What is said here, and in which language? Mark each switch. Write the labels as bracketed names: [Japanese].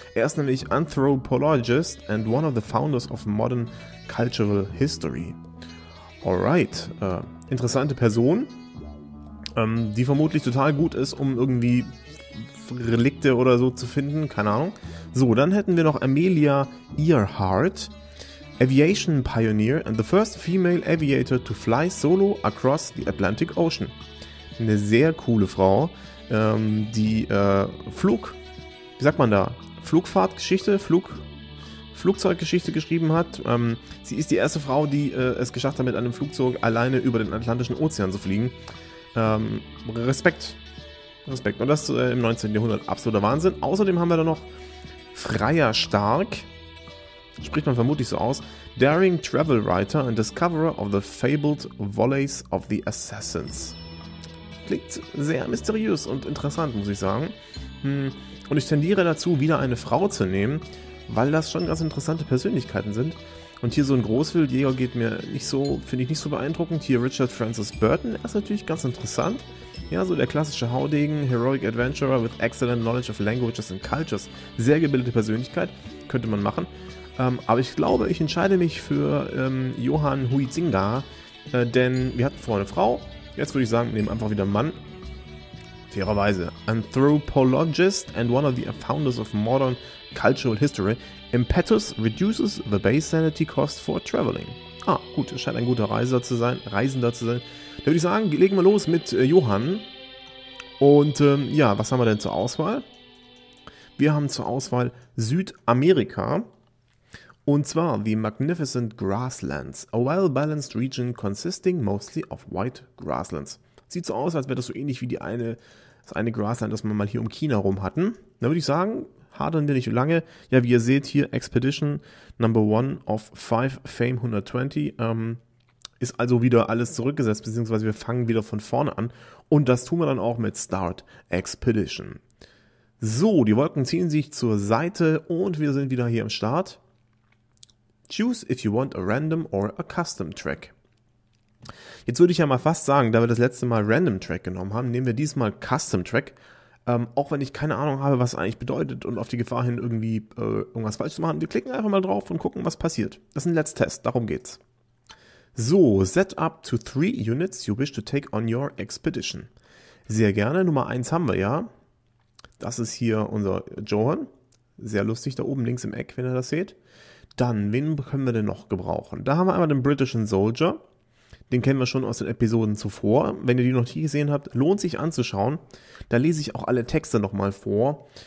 [German] Er ist nämlich [English] Anthropologist and one of the founders of modern cultural history. Alright. [German] Interessante Person, die vermutlich total gut ist, um irgendwie Relikte oder so zu finden. Keine Ahnung. So, dann hätten wir noch Amelia Earhart. [English] Aviation Pioneer and the first female aviator to fly solo across the Atlantic Ocean. [German] Eine sehr coole Frau, die Flugzeuggeschichte geschrieben hat. Sie ist die erste Frau, die es geschafft hat, mit einem Flugzeug alleine über den Atlantischen Ozean zu fliegen. Respekt. Und das im 19. Jahrhundert, absoluter Wahnsinn. Außerdem haben wir da noch Freya Stark. Spricht man vermutlich so aus. [English] Daring Travel Writer and Discoverer of the Fabled Valleys of the Assassins. [German] Klingt sehr mysteriös und interessant, muss ich sagen. Und ich tendiere dazu, wieder eine Frau zu nehmen, weil das schon ganz interessante Persönlichkeiten sind. Und hier so ein Großwildjäger geht mir nicht so, finde ich nicht so beeindruckend. Hier Richard Francis Burton, er ist natürlich ganz interessant. Ja, so der klassische Haudegen, [English] Heroic Adventurer with excellent knowledge of languages and cultures. [German] Sehr gebildete Persönlichkeit, könnte man machen. Aber ich glaube, ich entscheide mich für Johann Huizinga, denn wir hatten vorher eine Frau. Jetzt würde ich sagen, nehmen einfach wieder einen Mann. Fairerweise. [English] Anthropologist and one of the founders of modern cultural history. Impetus reduces the base sanity cost for traveling. [German] Ah, gut, es scheint ein guter Reisender zu sein. Dann würde ich sagen, legen wir los mit Johann. Und ja, was haben wir denn zur Auswahl? Wir haben zur Auswahl Südamerika. Und zwar [English] The Magnificent Grasslands, a well-balanced region consisting mostly of white grasslands. [German] Sieht so aus, als wäre das so ähnlich wie das eine Grassland, das wir mal hier um China rum hatten. Da würde ich sagen, hadern wir nicht lange. Ja, wie ihr seht hier, [English] Expedition Number 1 of 5 Fame 120 [German] ist also wieder alles zurückgesetzt, beziehungsweise wir fangen wieder von vorne an. Und das tun wir dann auch mit Start Expedition. So, die Wolken ziehen sich zur Seite und wir sind wieder hier am Start. [English] Choose if you want a random or a custom track. [German] Jetzt würde ich ja mal fast sagen, da wir das letzte Mal Random Track genommen haben, nehmen wir diesmal Custom Track. Auch wenn ich keine Ahnung habe, was eigentlich bedeutet und auf die Gefahr hin irgendwie irgendwas falsch zu machen. Wir klicken einfach mal drauf und gucken, was passiert. Das ist ein Let's Test, darum geht's. [English] So, set up to 3 units you wish to take on your expedition. [German] Sehr gerne, Nummer 1 haben wir ja. Das ist hier unser Johann. Sehr lustig da oben links im Eck, wenn ihr das seht. Dann, wen können wir denn noch gebrauchen? Da haben wir einmal den britischen Soldier. Den kennen wir schon aus den Episoden zuvor. Wenn ihr die noch nie gesehen habt, lohnt sich anzuschauen. Da lese ich auch alle Texte nochmal vor.